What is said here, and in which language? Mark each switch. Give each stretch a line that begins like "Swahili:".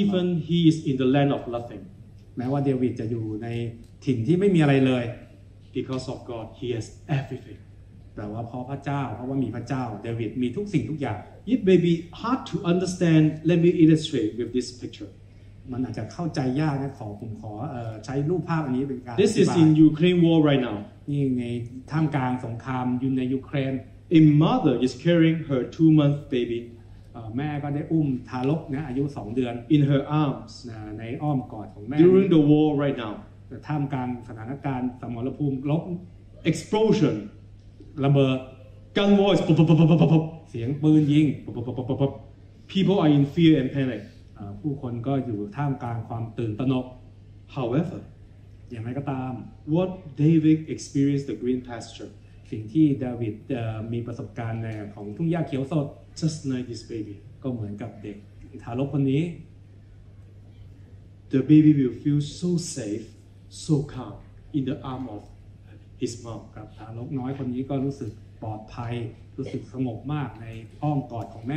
English: Even he is in the land of nothing
Thai: แม้ว่าเดวิดจะอยู่ในถิ่นที่ไม่มีอะไรเลย
English: Because of God he has everything
Thai: แต่ว่าเพราะพระเจ้าเพราะว่ามีพระเจ้าเดวิดมีทุกสิ่งทุกอย่าง
English: It may be hard to understand let me illustrate with this picture
Thai: มันอาจจะเข้าใจยากนะขอผมขอใช้รูปภาพอันนี้เป็นการ
English: This is in Ukraine war right now
Thai: นี่ในท่ามกลางสงครามอยู่ในยูเครน
English: A mother is carrying her 2-month baby
Thai: แม่ก็ได้อุ้มทารกนะอายุ2เดือน
English: in her arms
Thai: ในอ้อมกอดของแม่
English: during the war right now
Thai: ท่ามกลางสถานการณ์สมรภูมิรบ
English: explosion
Thai: ระเบิด
English: gun voice
Thai: เสียงปืนยิง
English: people are in fear and panic
Thai: ผู้คนก็อยู่ท่ามกลางความตื่นตระหนก
English: however
Thai: อย่างไรก็ตาม
English: what David experienced the green pasture
Thai: สิ่งที่ดาวิดมีประสบการณ์ในของทุ่งหญ้าเขียวสด
English: Just like this baby.
Thai: ก็เหมือนกับเด็กทารกคนนี้
English: The baby will feel so safe, so calm in the arm of his mom.
Thai: ครับทารกน้อยคนนี้ก็รู้สึกปลอดภัยรู้สึกสงบมากในอ้อมกอดของแม